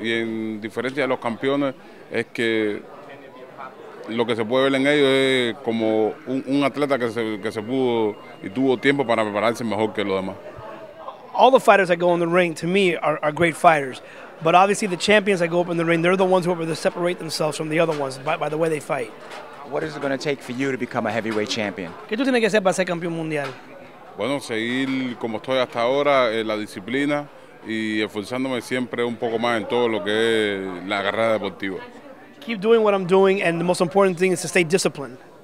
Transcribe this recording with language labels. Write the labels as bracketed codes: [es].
[es] Y en diferencia de los campeones, es que lo que se puede ver en ellos es como un atleta que se pudo y tuvo tiempo para prepararse mejor que los demás. [en] All the fighters that go in the ring, to me, are great fighters. But obviously the champions that go up in the ring, they're the ones who are to separate themselves from the other ones by the way they fight. What is it going to take for you to become a heavyweight champion? [es] ¿Qué tú tienes que hacer para ser campeón mundial? Bueno, seguir como estoy hasta ahora, la disciplina y esforzándome siempre un poco más en todo lo que es la carrera deportiva. [en] Keep doing what I'm doing, and the most important thing is to stay disciplined.